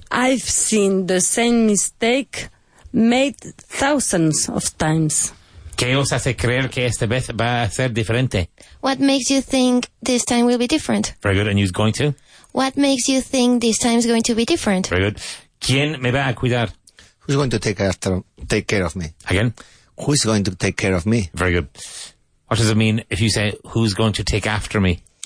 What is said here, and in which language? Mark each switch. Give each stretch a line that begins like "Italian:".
English: I've seen the same mistake made thousands of times.
Spanish: ¿Qué os hace creer que esta vez va a ser diferente?
English: What makes you think this time will be different? Very good. And who's going to? What makes you think this time is going to be different? Very good.
Spanish: ¿Quién me va a cuidar?
English: Who's going to take care of me? Again? Who's going to take care of me? Very good. What does it mean if you say, who's going to take after me?